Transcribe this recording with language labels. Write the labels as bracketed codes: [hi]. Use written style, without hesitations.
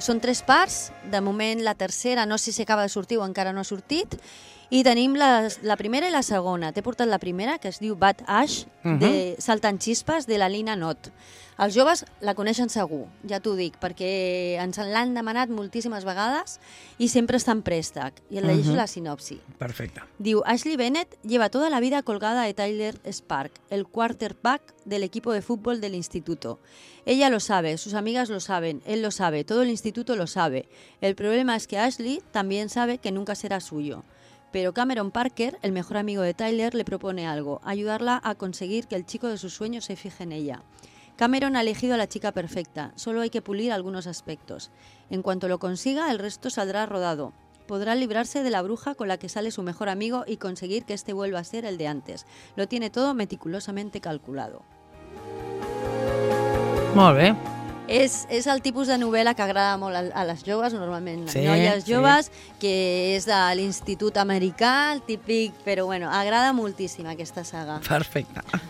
[ca] Són tres parts. De moment la tercera, no sé si acaba de sortir o encara no ha sortit. I tenim la primera i la segona. T'he portat la primera, que es diu Bad Ash, de Saltant Xispes, de la Lina Knott. Els joves la coneixen segur, ja t'ho dic, perquè ens l'han demanat moltíssimes vegades i sempre està en préstec. I et llegeixo la sinopsi. Perfecte. [es] Diu, Ashley Bennett lleva toda la vida colgada de Tyler Spark, el quarterback del equipo de fútbol del instituto. Ella lo sabe, sus amigas lo saben, él lo sabe, todo el instituto lo sabe. El problema es que Ashley también sabe que nunca será suyo. Pero Cameron Parker, el mejor amigo de Tyler, le propone algo, ayudarla a conseguir que el chico de sus sueños se fije en ella. Cameron ha elegido a la chica perfecta, solo hay que pulir algunos aspectos. En cuanto lo consiga, el resto saldrá rodado. Podrá librarse de la bruja con la que sale su mejor amigo y conseguir que este vuelva a ser el de antes. Lo tiene todo meticulosamente calculado. [ca] Molt bé. És el tipus de novel·la que agrada molt a les joves, normalment, sí, noies joves, que és de l'Institut Americà, el típic, però bueno, agrada moltíssim aquesta saga. Perfecte.